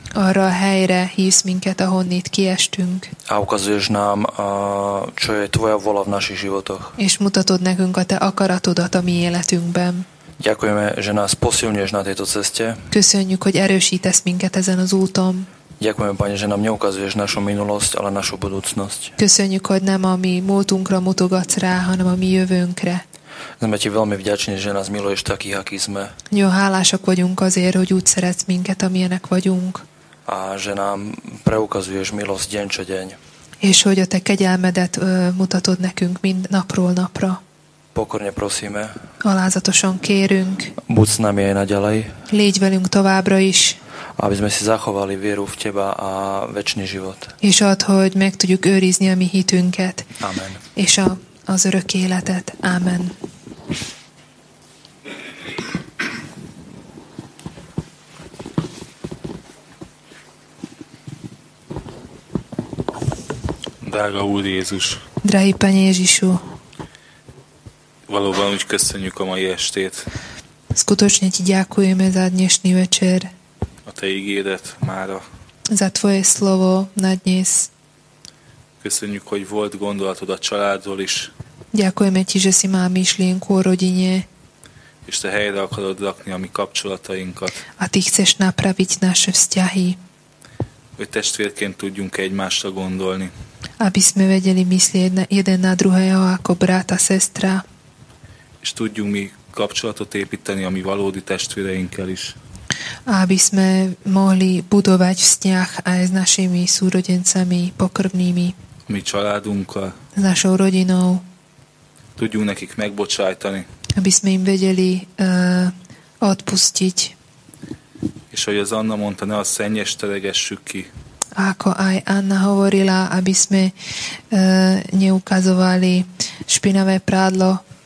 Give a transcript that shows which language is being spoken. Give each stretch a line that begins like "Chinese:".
Hungarian: Arra a helyre hívsz minket, ahonnit kiestünk.
Slovak: A ukazuješ nám, čo je tvoja vola v našich životoch.
Hungarian: És mutatod nekünk a te akaratodat a mi életünkben.
Slovak: Ďakujeme, že nás posilňuješ na tejto ceste.
Hungarian: Köszönjük, hogy erősítesz minket ezen az úton.
Slovak: Ďakujeme, Pane, že nám neukazuješ našu minulosť, ale našu budúcnosť.
Hungarian: Köszönjük, hogy nem a mi múltunkra mutogatsz rá, hanem a mi jövőnkre.
Slovak: Sme ti veľmi vďační, že nás miluješ taký, aký sme.
Hungarian: Jó, hálások vagyunk azért, hogy úgy szeretsz minket, amilyenek vagyunk.
Slovak: A že nám preukazuješ milosť deň čo deň.
Hungarian: És hogy a te kegyelmedet mutatod nekünk mind napról napra.
Slovak: Pokorne prosíme.
Hungarian: Alázatosan kérünk.
Slovak: Buď s nami aj naďalej.
Hungarian: Légy velünk továbbra is.
Slovak: Aby sme si zachovali vieru v teba a večný život.
Hungarian: És ad, hogy meg tudjuk őrizni a mi hitünket. Amen. És az örök életet. Amen. Drága Úr Jézus.
Slovak: Drahý Pane Ježišu.
Hungarian: Valóban úgy köszönjük a mai estét.
Slovak: Skutočne ti ďakujeme za dnešný večer.
Hungarian: A te ígédet mára.
Slovak: Za tvoje slovo na dnes.
Hungarian: Köszönjük, hogy volt gondolatod a családról is.
Slovak: Ďakujeme ti, že si mám myšlienku o rodine.
Hungarian: És te helyre akarod rakni a mi kapcsolatainkat.
Slovak: A ty chceš napraviť naše vzťahy.
Hungarian: Hogy testvérként tudjunk egymásra gondolni.
Slovak: Aby sme vedeli myslieť jeden na druhého ako brat a sestra.
Hungarian: És tudjunk mi kapcsolatot építeni a mi valódi testvéreinkkel is.
Slovak: Aby sme mohli budovať vzťah aj s našimi súrodencami pokrvnými.
Hungarian: Mi családunkkal.
Slovak: S našou rodinou.
Hungarian: Tudjunk nekik megbocsájtani.
Slovak: Aby sme im vedeli odpustiť.
Hungarian: És ahogy az Anna mondta, ne a szennyest teregessük ki.
Slovak: Ako aj Anna hovorila, aby sme neukazovali špinavé prádlo.